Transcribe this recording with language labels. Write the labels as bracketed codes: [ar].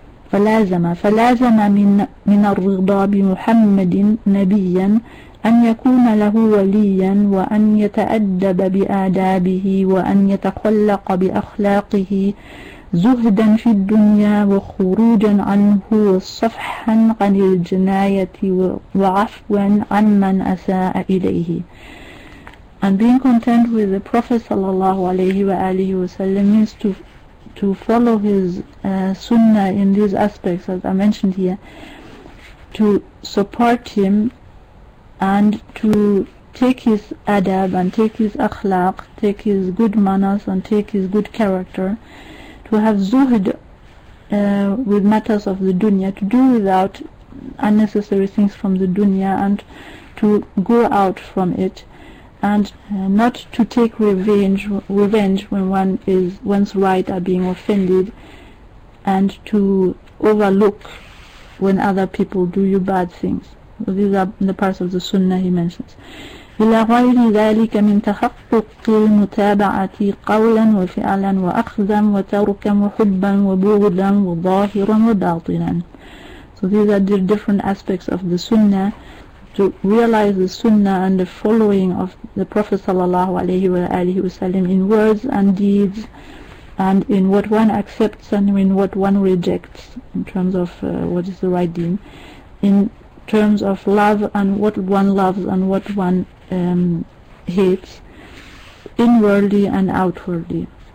[ar] فلازم من الرضا بمحمد نبيا أن يكون له وليا وأن يتأدب بآدابه وأن يتخلق بأخلاقه زهدا في الدنيا وخروجا عنه وصفحا عن الجناية وعفوا عن من أساء إليه. [en] And being content with the Prophet [ar] صلى الله عليه وآله وسلم [en] means to follow his sunnah in these aspects as I mentioned here, to support him and to take his adab and take his akhlaq, take his good manners and take his good character, to have zuhd with matters of the dunya, to do without unnecessary things from the dunya and to go out from it, and not to take revenge when one's right are being offended, and to overlook when other people do you bad things. So these are the parts of the sunnah he mentions. [ar] إلى غير ذلك من تحقق المتابعة قولا وفعلا وأخذا وتركا وحبا وبغضا وظاهرا وباطنا. [en] So these are the different aspects of the sunnah. To realize the sunnah and the following of the Prophet [ar] sallallahu alayhi wa alihi wasallam [en] in words and deeds, and in what one accepts and in what one rejects in terms of what is the right deen, in terms of love and what one loves and what one hates, inwardly and outwardly.